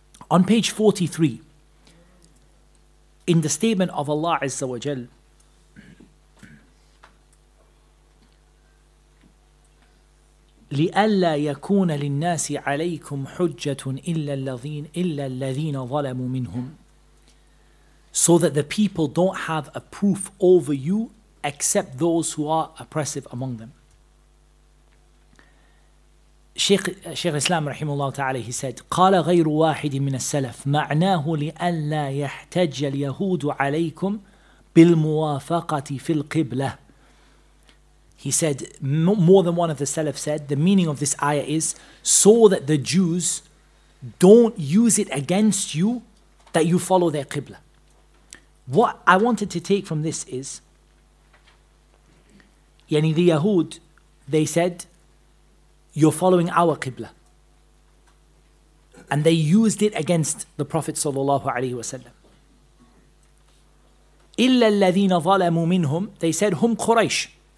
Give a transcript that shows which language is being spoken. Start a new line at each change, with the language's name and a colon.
English: On page 43, in the statement of Allah Azza wa Jal,
Arabic: لألا يكون للناس عليكم حجة إلا الذين ظلموا منهم,
English: so that the people don't have a proof over you except those who are oppressive among them. Shaykh Islam rahimahullah ta'ala, he said,
Arabic: قال غير واحد من السلف معناه لألا يحتج اليهود عليكم بالموافقة في القبلة.
English: He said, more than one of the Salaf said, the meaning of this ayah is, so that the Jews don't use it against you that you follow their Qibla. What I wanted to take from this is, yani the Yahud, they said, you're following our Qibla. And they used it against the Prophet sallallahu alaihi wasallam.
Arabic: إِلَّا الَّذِينَ ظَلَمُوا مِنْهُمْ,
English: they said,
Arabic: هُمْ Quraysh.